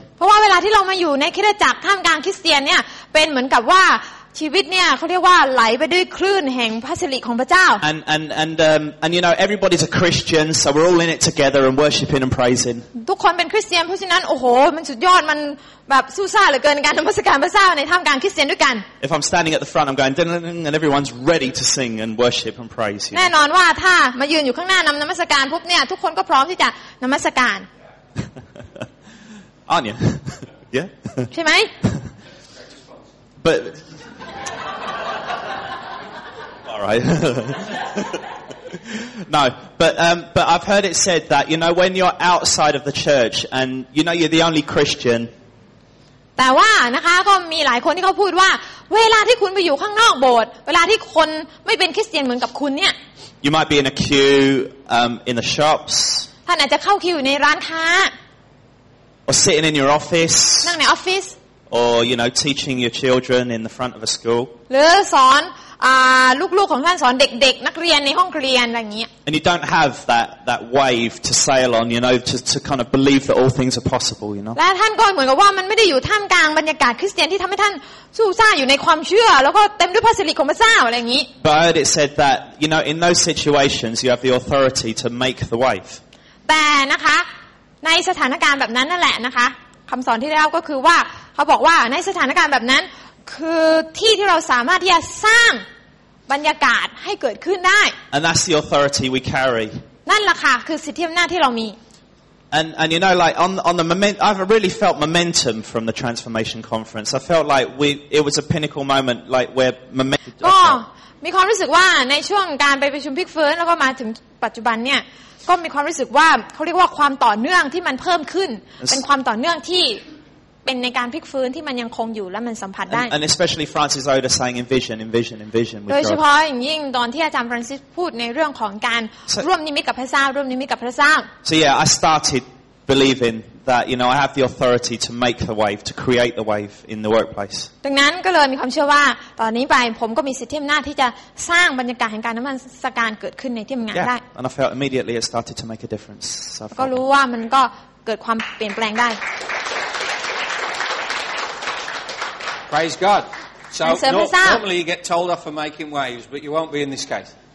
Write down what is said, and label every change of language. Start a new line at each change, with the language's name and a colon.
Thai: เพราะว่าเวลาที่เรามาอยู่ในคริสตจักรท่ามกลางคริสเตียนเนี่ยเป็นเหมือนกับว่า ชีวิตเนี่ยเขาเรียกว่าไหลไปด้วยคลื่นแห่งพระสิริของพระเจ้า
English: and you know everybody's a Christian so we're all in it together and worshiping and praising
Thai: ทุกคนเป็นคริสเตียนเพราะฉะนั้นโอ้โหมันสุดยอดมันแบบสู้ซ่าเหลือเกินการนมัสการพระเจ้าในท่ามกลางคริสเตียนด้วยกัน
English: If I'm standing at the front I'm going ding, ding, ding, and everyone's ready to sing and worship and praise you
Thai: แน่นอนว่าถ้ามายืนอยู่ข้างหน้านำนมัสการปุ๊บเนี่ยทุกคนก็พร้อมที่จะนมัสการ
English: aren't you yeah
Thai: ใช่ไหม
English: butRight. No, but I've heard it said that you know when you're outside of the church and you know you're the only Christian.
Thai: แต่ว่านะคะก็มีหลายคนที่เขาพูดว่าเวลาที่คุณไปอยู่ข้างนอกโบสถ์เวลาที่คนไม่เป็นคริสเตียนเหมือนกับคุณเนี่ย
English: You might be in a queue in the shops.
Thai: ท่านอาจจะเข้าคิวในร้านค้า
English: Or sitting in your office.
Thai: นั่งในออฟฟิศ
English: Or you know teaching your children in the front of a school.
Thai: หรือสอนลูกๆของท่านสอนเด็กๆนักเรียนในห้องเรียนอะไรอย่างเงี้ย
English: And you don't have that wave to sail on you know to kind of believe that all things are possible you know
Thai: และท่านก็เหมือนกับว่ามันไม่ได้อยู่ท่ามกลางบรรยากาศคริสเตียนที่ทำให้ท่านสู้ซ่าอยู่ในความเชื่อแล้วก็เต็มด้วยพระสิริของพระเจ้าอะไรอย่างงี้
English: But it said that you know in those situations you have the authority to make the wave
Thai: แต่นะคะในสถานการณ์แบบนั้นนั่นแหละนะคะคำสอนที่ได้เล่าก็คือว่าเขาบอกว่าในสถานการณ์แบบนั้นคือที่ที่เราสามารถที่จะสร้างบรรยากาศให้เกิดขึ้นได้
English: And that's the authority we carry
Thai: นั่นล่ะค่ะคือสิทธิอำนาจที่เรามี
English: And you know like on the moment I've really felt momentum from the transformation conference I felt like it was a pinnacle moment like where momentum
Thai: มีความรู้สึกว่าในช่วงการไปประชุมพลิกฟื้นแล้วก็มาถึงปัจจุบันเนี่ยก็มีความรู้สึกว่าเขาเรียกว่าความต่อเนื่องที่มันเพิ่มขึ้นเป็นความต่อเนื่องที่เป็นในการพลิกฟื้นที่มันยังคงอยู่และมันสัมผัสได้
English: and especially Francis Oda saying envision
Thai: โดยเฉพาะอย่างยิ่งตอนที่อาจารย์ฟรานซิสพูดในเรื่องของการร่วมนิมิตกับพระเจ้าร่วมนิมิตกับพระเจ้า
English: so yeah I started believing that you know I have the authority to make the wave to create the wave in the workplace
Thai: ดังนั้นก็เลยมีความเชื่อว่าตอนนี้ไปผมก็มีสิทธิอำนาจที่จะสร้างบรรยากาศแห่งการนมัสการเกิดขึ้นในที่ทำงานได้
English: and I felt immediately it started to make a difference
Thai: ก็รู้ว่ามันก็เกิดความเปลี่ยนแปลงได้
English: Praise God. So normally you get told off for making waves, but you won't be in this case.